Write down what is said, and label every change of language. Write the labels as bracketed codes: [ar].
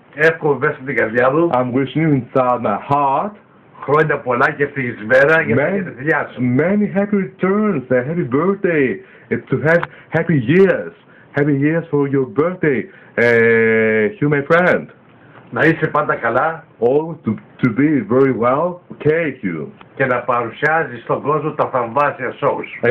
[el] Εύχομαι μέσα στην καρδιά μου. [en] I'm wishing you inside my heart. [el] Χρόνια πολλά και ευτυχής μέρα για τη δουλειά σου. [en] Many happy returns, a happy birthday, to have happy years. Happy years for your birthday, Hugh, my friend. [el] Να είσαι πάντα καλά. [en] Always to be very well, okay, Hugh. [el] Και να παρουσιάζεις στον κόσμο τα θαυμάσια shows.